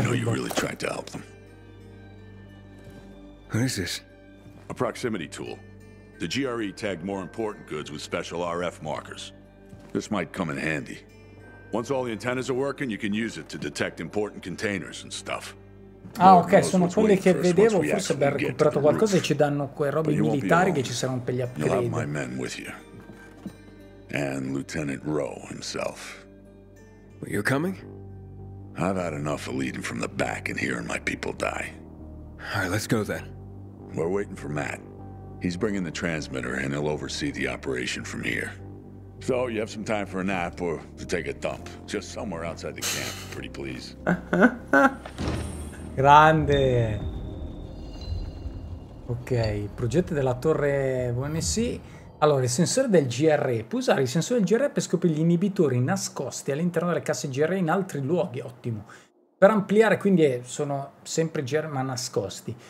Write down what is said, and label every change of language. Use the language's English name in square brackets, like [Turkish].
[English] I know you really tried to help them. What is this? A proximity tool. The GRE tagged more important goods with special RF markers. This might come in handy. Once all the antennas are working, you can use it to detect important containers and stuff. [Italian] Ah, ok, sono quelli che vedevo, forse abbiamo recuperato qualcosa e ci danno quei robi militari che ci saranno per gli upgrade. [English] You'll have my men with you. And Lieutenant Rowe himself. Well, you're coming? I've had enough of leading from the back and hearing my people die. All right, let's go then. We're waiting for Matt. He's bringing the transmitter, and he'll oversee the operation from here. So, you have some time for a nap or to take a dump. Just somewhere outside the camp, pretty please. [Italian] Grande! Ok, progetto della torre VNC. Allora, il sensore del GRE. Puoi usare il sensore del GRE per scoprire gli inibitori nascosti all'interno delle casse GRE in altri luoghi. Ottimo. Per ampliare, quindi sono sempre GRE ma nascosti.